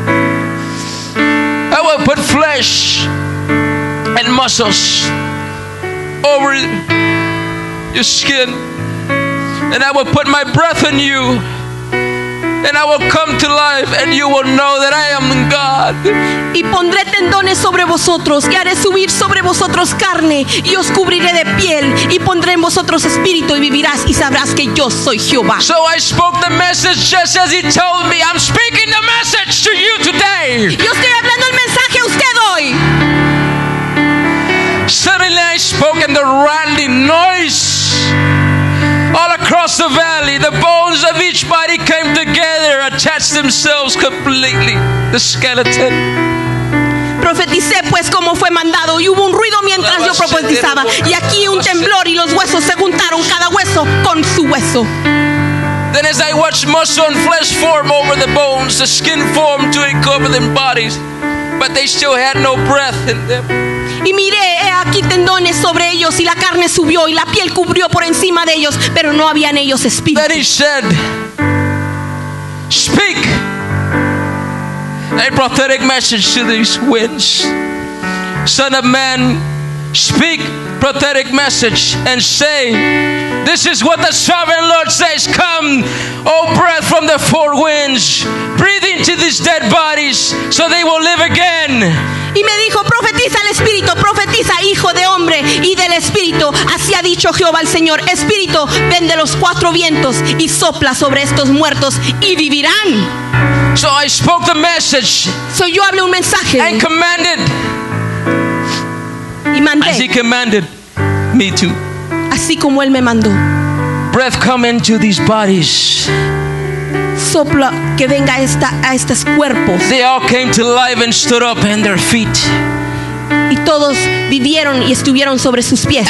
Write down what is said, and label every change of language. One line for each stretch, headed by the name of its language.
English: I will put flesh and muscles over your skin, and I will put my breath in you. And I will come to life, and you will know that I am God.
Spanish: Y pondré tendones sobre vosotros, y haré subir sobre vosotros carne, y os cubriré de piel, y pondré en vosotros espíritu, y vivirás, y sabrás que yo soy Jehová.
English: So I spoke the message just as he told me. I'm speaking the message to you today.
Spanish: Yo estoy hablando el mensaje a usted hoy.
English: Suddenly I spoke, and the rattling noise. All across the valley, the bones of each body came together, attached themselves completely. The skeleton.
Spanish: Profeticé pues como fue mandado, y hubo un ruido mientras yo profetizaba, y aquí un temblor, y los huesos se juntaron, cada hueso con su hueso.
English: Then as I watched muscle and flesh form over the bones, the skin formed to encover them bodies, but they still had no breath in them.
Spanish: Y miré, he aquí tendones sobre ellos y la carne subió y la piel cubrió por encima de ellos, pero no habían ellos espíritu.
English: Then he said, speak a prophetic message to these winds. Son of man, speak prophetic message and say, this is what the sovereign Lord says, come, O breath from the four winds, breathe into these dead bodies so they will live again.
Spanish: Y me dijo, profetiza al Espíritu, profetiza, hijo de hombre y del Espíritu. Así ha dicho Jehová el Señor, Espíritu, ven de los cuatro vientos y sopla sobre estos muertos y vivirán.
English: So I spoke the message.
Spanish: So yo hablé un mensaje.
English: And commanded.
Spanish: Y mandé.
English: As he commanded me to.
Spanish: Así como él me mandó.
English: Breath come into these bodies.
Spanish: Sopla que venga esta a estos cuerpos.
English: They all came to life and stood up on their feet.
Spanish: Y todos vivieron y estuvieron sobre sus pies.